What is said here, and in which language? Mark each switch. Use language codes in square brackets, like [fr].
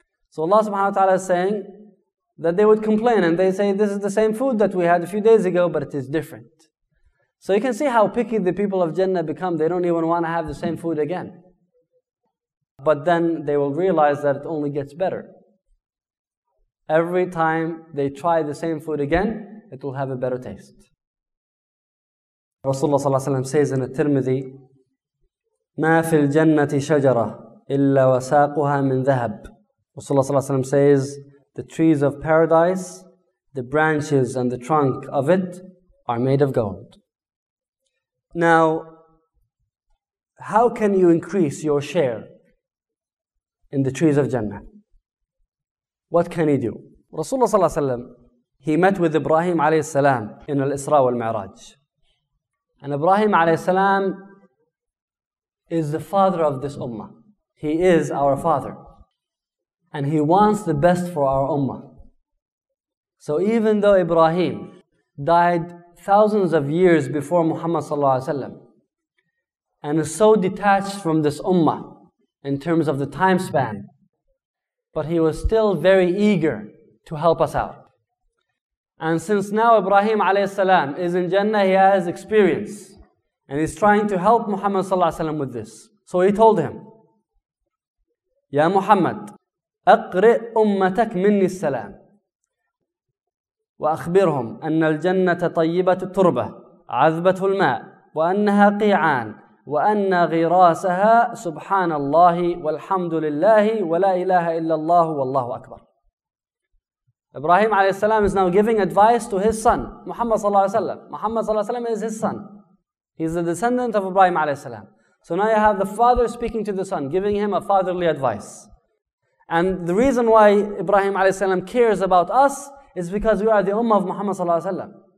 [en] So Allah subhanahu wa ta'ala is saying that they would complain and they say, this is the same food that we had a few days ago, but it is different. So you can see how picky the people of Jannah become. They don't even want to have the same food again. But then they will realize that it only gets better. Every time they try the same food again, it will have a better taste. Rasulullah ﷺ says in At-Tirmidhi, [ar] مَا فِي الْجَنَّةِ شَجَرَةٍ إِلَّا وَسَاقُهَا مِنْ ذَهَبٍ. [en] Rasulullah ﷺ says, the trees of paradise, the branches and the trunk of it are made of gold. Now, how can you increase your share in the trees of Jannah? What can you do? Rasulullah ﷺ, he met with Ibrahim ﷺ in Al-Isra wal-Mi'raj. And Ibrahim ﷺ is the father of this ummah. He is our father. And he wants the best for our ummah. So even though Ibrahim died thousands of years before Muhammad sallallahu alaihi wasallam, and is so detached from this ummah in terms of the time span, but he was still very eager to help us out. And since now Ibrahim alayhi salam is in Jannah, he has experience, and he's trying to help Muhammad sallallahu alaihi wasallam with this. So he told him, Ya Muhammad, [ar] أقرئ أمتك مني السلام وأخبرهم أن الجنة طيبة التربة عذبة الماء وأنها قيعان وأن غراسها سبحان الله والحمد لله ولا إله إلا الله والله أكبر. [en] Ibrahim عليه السلام is now giving advice to his son Muhammad صلى الله عليه وسلم. Muhammad صلى الله عليه وسلم is his son. He is the descendant of Ibrahim عليه السلام. So now you have the father speaking to the son, giving him a fatherly advice. And the reason why Ibrahim alayhi salam cares about us is because we are the ummah of Muhammad sallallahu alayhi salam.